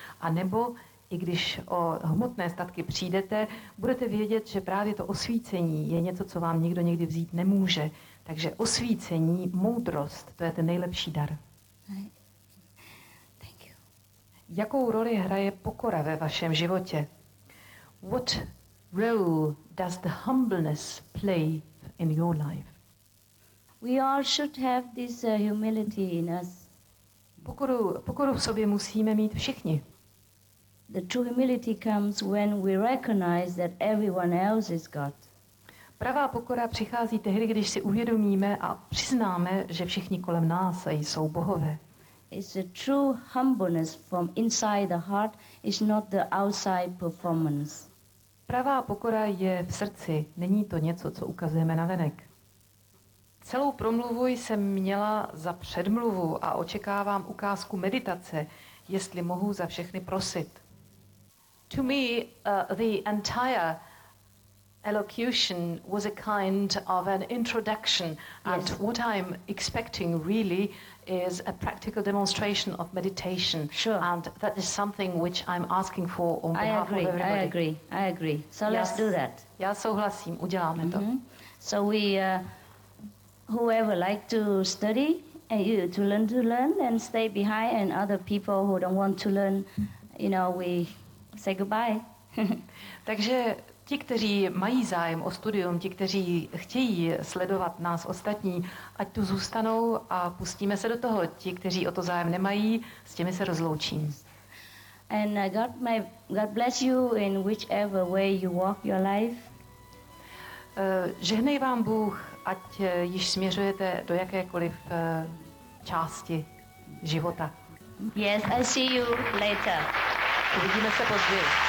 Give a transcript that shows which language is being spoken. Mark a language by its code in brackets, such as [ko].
[cs] A nebo, i když o hmotné statky přijdete, budete vědět, že právě to osvícení je něco, co vám nikdo nikdy vzít nemůže. Takže osvícení, moudrost, to je ten nejlepší dar. [en] Thank you. [cs] Jakou roli hraje pokora ve vašem životě? [en] What role does the humbleness play in your life? We all should have this humility in us. [cs] Pokoru v sobě musíme mít všichni. [en] The true humility comes when we recognize that everyone else is God. [cs] Pravá pokora přichází tehdy, když si uvědomíme a přiznáme, že všichni kolem nás jsou bohové. [en] It's a true humbleness from inside the heart, it's not the outside performance. [cs] Pravá pokora je v srdci, není to něco, co ukazujeme navenek. Celou promluvu jsem měla za předmluvu a očekávám ukázku meditace, jestli mohu za všechny prosit. [en] To me, the entire elocution was a kind of an introduction, and yes. What I'm expecting really is a practical demonstration of meditation. Sure. And that is something which I'm asking for on behalf of everybody. I agree. So yes. Let's do that. [cs] Já souhlasím, uděláme to. [en] So we, whoever like to study, to learn, and stay behind, and other people who don't want to learn, you know, we say goodbye. [cs] Takže ti, kteří mají zájem o studium, ti, kteří chtějí sledovat nás ostatní, ať tu zůstanou a pustíme se do toho. Ti, kteří o to zájem nemají, s těmi se rozloučím. [en] And God bless you in whichever way you walk your life. [cs] Žehnej vám Bůh, ať již směřujete do jakékoliv části života. [en] Yes, I see you later. [cs] Uvidíme se později.